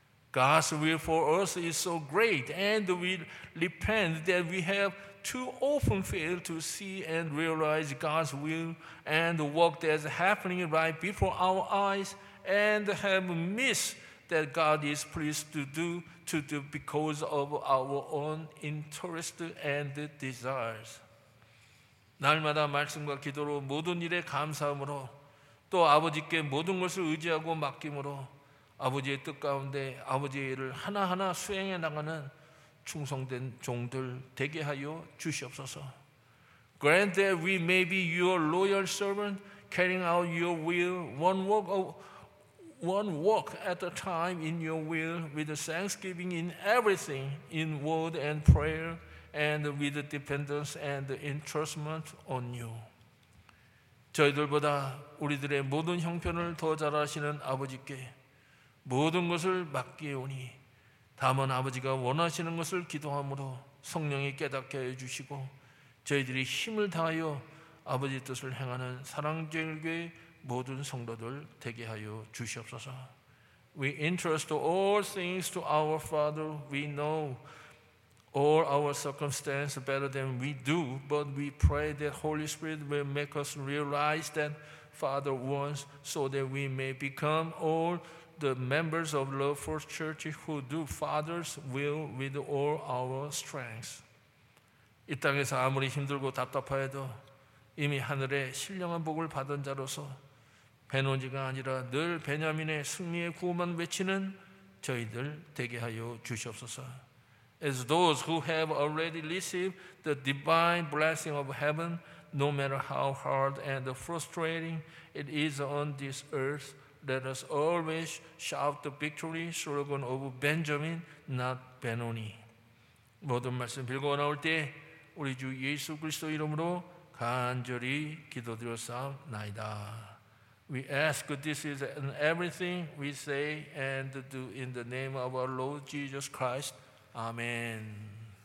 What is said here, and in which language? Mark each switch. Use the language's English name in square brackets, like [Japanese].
[English] God's will for us is so great, and we repent that we have too often failed to see and realize God's will and work that's happening right before our eyes, and have missed that God is pleased to do because of our own interest and desires. [Korean] 날마다 말씀과 기도로 모든 일에 감사함으로 또 아버지께 모든 것을 의지하고 맡김으로 아버지의 뜻 가운데 아버지의 일을 하나하나 수행해 나가는 충성된 종들 되게 하여 주시옵소서. [English] Grant that we may be your loyal servant, carrying out your will, one work at a time in your will, with thanksgiving in everything, in word and prayer, and with dependence and entrustment on you. [Korean] 저희들보다 우리들의 모든 형편을 더 잘 아시는 아버지께 모든 것을 맡기오니 다만 아버지가 원하시는 것을 기도함으로 성령이 깨닫게 해주시고 저희들이 힘을 다하여 아버지 뜻을 행하는 사랑제일교회 모든 성도들 되게 하여 주시옵소서. [English] We entrust all things to our Father. We know all our circumstances better than we do, but we pray that Holy Spirit will make us realize that Father wants so that we may become all the members of Love First Church who do Father's will with all our strengths. [Korean] 이 땅에서 아무리 힘들고 답답하여도 이미 하늘에 신령한 복을 받은 자로서 베노지가 아니라 늘 베냐민의 승리의 구호만 외치는 저희들 되게 하여 주시옵소서. [English] As those who have already received the divine blessing of heaven, no matter how hard and frustrating it is on this earth, let us always shout the victory slogan of Benjamin, not Benoni. [Korean] 모든 말씀 빌고 나올 때 우리 주 예수 그리스도 이름으로 간절히 기도드렸사옵나이다. [English] We ask this is in everything we say and do in the name of our Lord Jesus Christ. Amen.